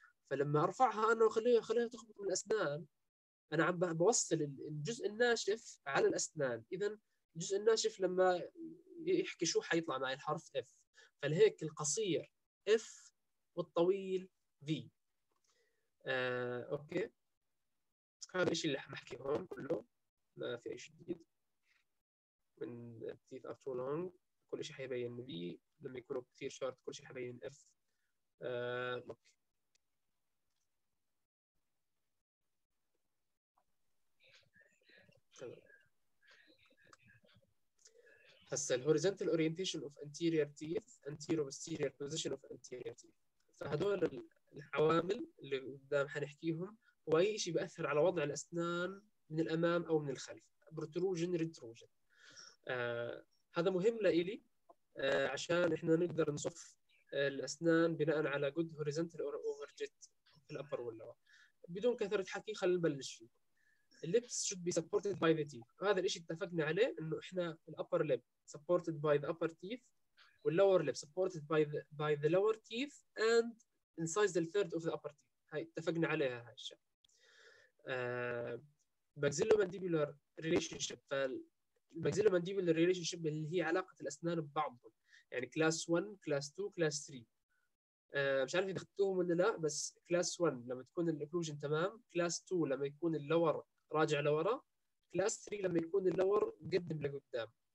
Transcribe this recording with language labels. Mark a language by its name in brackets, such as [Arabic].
[Arabic] فلما أرفعها أنا وخليها تخبط من الأسنان، انا عم بوصل الجزء الناشف على الاسنان، اذا الجزء الناشف لما يحكي شو حيطلع معي الحرف اف، فلهيك القصير اف والطويل V. أوكي هذا الشيء اللي حنحكي هون كله، ما في أي شيء جديد. [English] When teeth are too long [Arabic] كل شيء حيبين V، لما يكونوا كثير short كل شيء حيبين F. أوكي هسا ال [English] horizontal orientation of anterior teeth anterior posterior position of anterior teeth. [Arabic] فهدول العوامل اللي قدام حنحكيهم هو أي شيء بأثر على وضع الأسنان من الأمام أو من الخلف، بروتروجن ريتروجن. هذا مهم لإلي عشان إحنا نقدر نصف الأسنان بناء على [English] good horizontal or overjet [Arabic] في الأبر واللور. بدون كثرة حكي خلينا نبلش فيه. [English] Lips should be supported by the teeth. [Arabic] هذا الإشي اتفقنا عليه إنه إحنا [English] upper lip supported by the upper teeth واللور lip supported by the lower teeth and incise the third of the upper teeth. [Arabic] هاي اتفقنا عليها هاي الشيء. [English] Maxillomandibular relationship. Maxillomandibular relationship [Arabic] اللي هي علاقة الأسنان ببعضهم، يعني [English] class 1 class 2 class 3. [Arabic] مش عارف إذا خدتوهم ولا لا، بس class 1 لما تكون الأوكلوجن تمام، class 2 لما يكون اللور راجع لورا، كلاس 3 لما يكون اللور قدم لقدام.